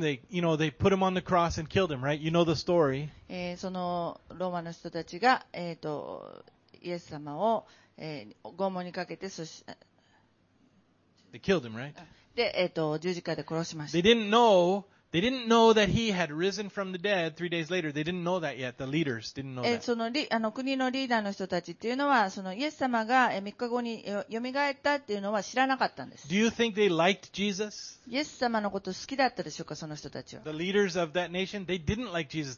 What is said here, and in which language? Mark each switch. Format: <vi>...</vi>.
<en>They put him on the cross and killed him, right? You know the story.</en> <ja>そのローマの人たちが、イエス様を、拷問にかけて、</ja> <en>They killed him, right?</en> <ja>で、十字架で殺しました。</ja> <en>They didn't know that he had risen from the dead three days later. They didn't know that yet. The leaders didn't know that.</en> <ja>その国のリーダーの人たちっていうのは、そのイエス様が3日後に蘇ったっていうのは知らなかったんです。</ja> <en>Do you think they liked Jesus?</en> <ja>イエス様のこと好きだったでしょうか、その人たちは。</ja> <en>The leaders of that nation, they didn't like Jesus.</en>